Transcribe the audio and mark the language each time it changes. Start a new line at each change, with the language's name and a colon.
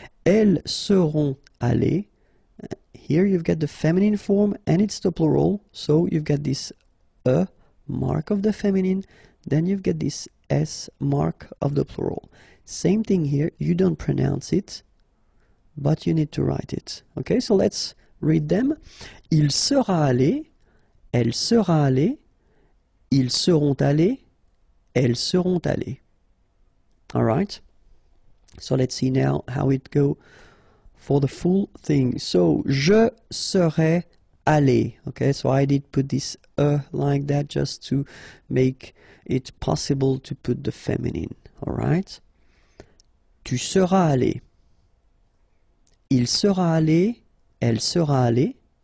French: Elles seront allées.
English: Here you've got the feminine form and it's the plural, so you've got this e mark of the feminine, then you've got this s mark of the plural. Same thing here, you don't pronounce it, but you need to write it. Okay, so let's read them.
French: Il sera allé, elle sera allée, ils seront allés, elles seront allées.
English: All right, so let's see now how it go for the full thing. So,
French: je serai allé.
English: Okay, so I did put this like that just to make it possible to put the feminine. All right.
French: Tu seras allé. Il sera allé. Elle sera allée.